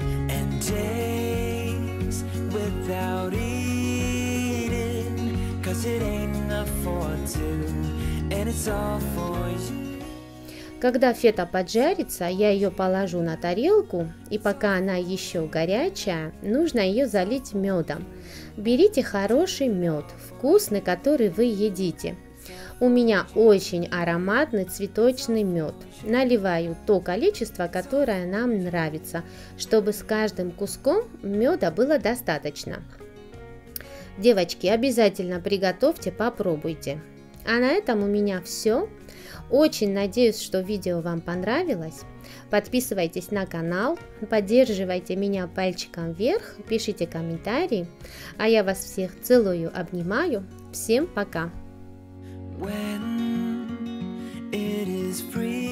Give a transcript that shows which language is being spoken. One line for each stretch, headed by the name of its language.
English: And days without eating, 'cause it ain't enough for two. And it's all for you.
Russian: Когда фета поджарится, я ее положу на тарелку, и пока она еще горячая, нужно ее залить медом. Берите хороший мед, вкусный, который вы едите. У меня очень ароматный цветочный мед. Наливаю то количество, которое нам нравится, чтобы с каждым куском меда было достаточно. Девочки, обязательно приготовьте, попробуйте. А на этом у меня все. Очень надеюсь, что видео вам понравилось. Подписывайтесь на канал, поддерживайте меня пальчиком вверх, пишите комментарии. А я вас всех целую, обнимаю. Всем пока!
English: When it is free.